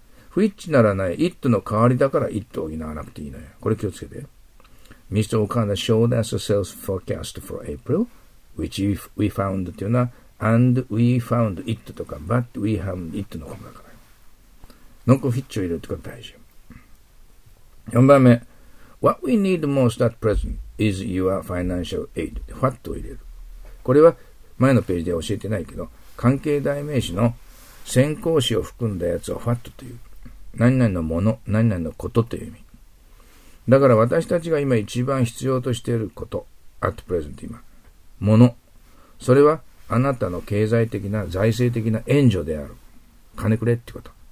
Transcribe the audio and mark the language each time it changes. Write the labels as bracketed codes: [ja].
[ja] 不一致ならない It の代わりだから It を補わなくていいのよ。これ気をつけて。 [en] Mr. Okada showed us a sales forecast for April, which we found [ja] というのは [en] And we found It [ja] とか [en] But we found It [ja] のことだから。ノコフィッチを入れるってことが大事。 4番目、 [en] What we need most at present is your financial aid. [ja] What を入れる。これは前のページでは教えてないけど、関係代名詞の先行詞を含んだやつを what という、何々のもの、何々のことという意味。だから私たちが今一番必要としていること、 [en] at present [ja] 今、もの、それはあなたの経済的な財政的な援助である。金くれってこと。